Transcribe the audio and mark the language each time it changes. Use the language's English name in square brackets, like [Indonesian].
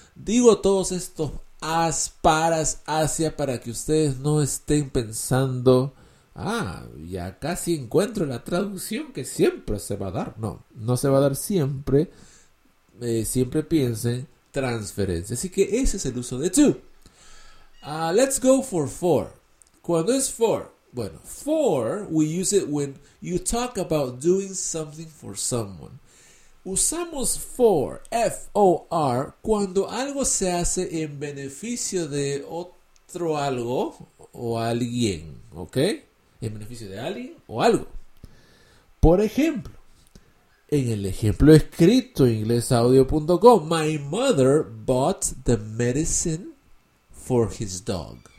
[Spanish] Digo todos estos as, paras, hacia, para que ustedes no estén pensando, ah, ya casi encuentro la traducción que siempre se va a dar. No, no se va a dar siempre. Siempre piensen transferencia. Así que ese es el uso de to. [English] Let's go for for. [Spanish] ¿Cuándo es [English] for? [Spanish] Bueno, [English] for we use it when you talk about doing something for someone. [Spanish] Usamos for, F-O-R, cuando algo se hace en beneficio de otro algo o alguien, ¿ok? En beneficio de alguien o algo. Por ejemplo, en el ejemplo escrito en inglesaudio.com, [English] my mother bought the medicine for his dog.